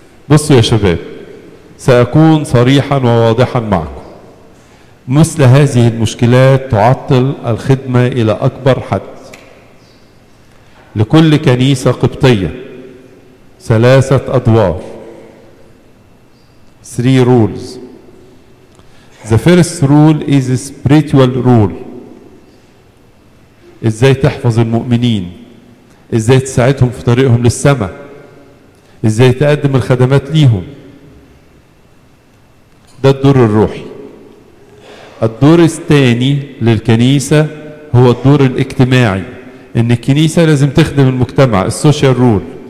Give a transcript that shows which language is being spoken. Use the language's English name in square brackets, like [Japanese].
[Arabic] بصوا يا شباب، سأكون صريحا وواضحا معكم، مثل هذه المشكلات تعطل الخدمة إلى أكبر حد. لكل كنيسة قبطية ثلاثة أدوار، [English] 3 rules. The first rule is spiritual rule. [Arabic] ازاي تحفظ المؤمنين؟ ازاي تساعدهم في طريقهم للسماء؟ ازاي تقدم الخدمات ليهم؟ ده الدور الروحي. الدور الثاني للكنيسة هو الدور الاجتماعي، ان الكنيسة لازم تخدم المجتمع، [English] السوشيال رول.